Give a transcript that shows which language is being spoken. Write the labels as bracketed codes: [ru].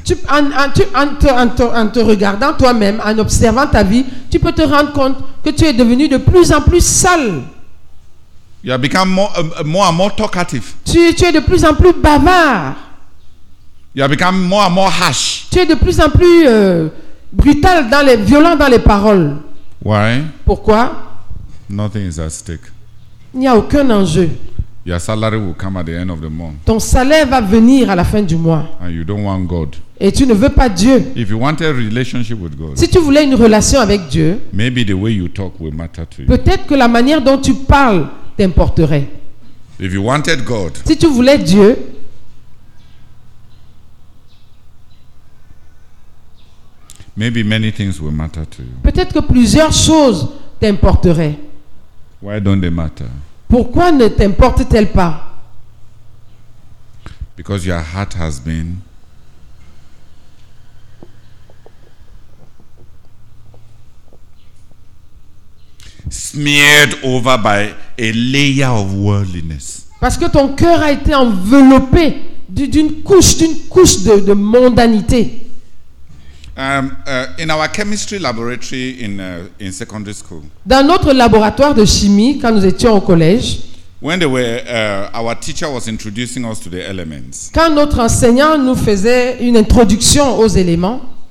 [fr] en te regardant toi-même, en observant ta vie, tu peux te rendre compte que tu es devenu de plus en plus sale. [en] You have become more and more talkative. [fr] Tu es de plus en plus bavard. [en] You have become more and more harsh. [fr] Tu es de plus en plus brutal dans les violent dans les paroles. [en] Why? [fr] Pourquoi? [en] Nothing is at stake. [fr] Il n'y a aucun enjeu. [en] Your salary will come at the end of the month. [fr] Ton salaire va venir à la fin du mois. [en] And you don't want God. [fr] Et tu ne veux pas Dieu. [en] If you want a relationship with God, [fr] si tu voulais une relation avec Dieu, [en] maybe the way you talk will matter to you. [fr] Peut-être que la manière dont tu parles t'importerait. [en] If you wanted God, [fr] si tu voulais Dieu, [en] maybe many things will matter to you. [fr] Peut-être que plusieurs choses t'importeraient. [en] Why don't they matter? [fr] Pourquoi ne t'importe-t-elle pas? [en] Because your heart has been smeared over by a layer of worldliness. [fr] Parce que ton cœur a été enveloppé d'une couche de mondanité. [en] In our chemistry laboratory in secondary school. [fr] Dans notre laboratoire de chimie quand nous étions au collège. [en] When they were our teacher was introducing us to the elements. [fr] Quand notre enseignant nous faisait une introduction aux éléments.